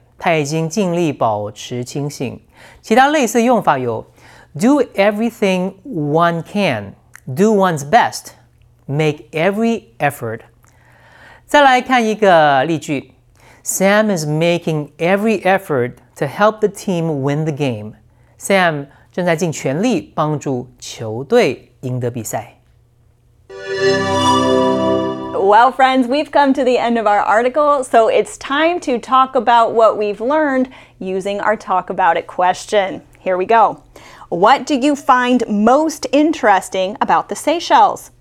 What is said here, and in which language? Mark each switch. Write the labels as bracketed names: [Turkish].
[Chinese] 他已经尽力保持清醒。其他类似用法有 [English] Do everything one can. Do one's best. Make every effort. [Chinese] 再来看一个例句 [English] Sam is making every effort to help the team win the game. [Chinese] Sam 正在尽全力帮助球队赢得比赛。 [English] Well, friends, we've come to the end of our article, so it's time to talk about what we've learned using our Talk About It question. Here we go. What do you find most interesting about the Seychelles?